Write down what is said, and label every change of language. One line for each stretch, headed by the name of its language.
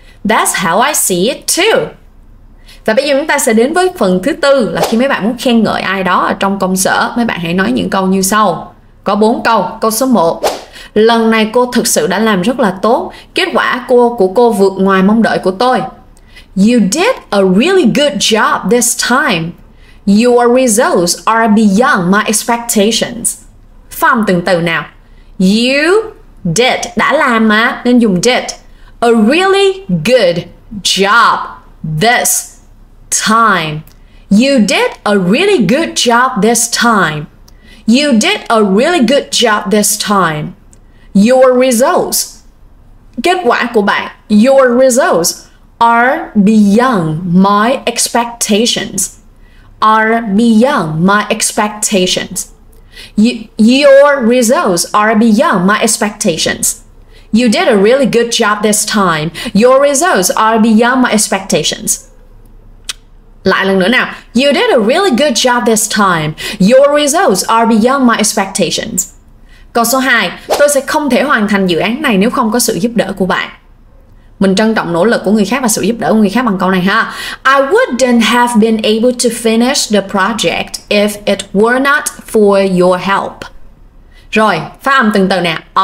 English: That's how I see it too.
Vietnamese: Và bây giờ chúng ta sẽ đến với phần thứ tư, là khi mấy bạn muốn khen ngợi ai đó ở trong công sở, mấy bạn hãy nói những câu như sau. Có 4 câu. Câu số 1. Lần này cô thực sự đã làm rất là tốt. Kết quả của cô vượt ngoài mong đợi của tôi.
English: You did a really good job this time. Your results are beyond my expectations.
Vietnamese: Phạm từng từ nào.
English: You did,
Vietnamese: đã làm mà, nên dùng did.
English: A really good job this time. You did a really good job this time. You did a really good job this time. Your results,
Vietnamese: kết quả của bạn,
English: your results are beyond my expectations. Are beyond my expectations. Your results are beyond my expectations. You did a really good job this time. Your results are beyond my expectations.
Vietnamese: Lại lần nữa nào.
English: You did a really good job this time. Your results are beyond my expectations.
Vietnamese: Câu số 2. Tôi sẽ không thể hoàn thành dự án này nếu không có sự giúp đỡ của bạn. Mình trân trọng nỗ lực của người khác và sự giúp đỡ của người khác bằng câu này ha.
English: I wouldn't have been able to finish the project if it were not for your help.
Vietnamese: Rồi, phát âm từng từ nè.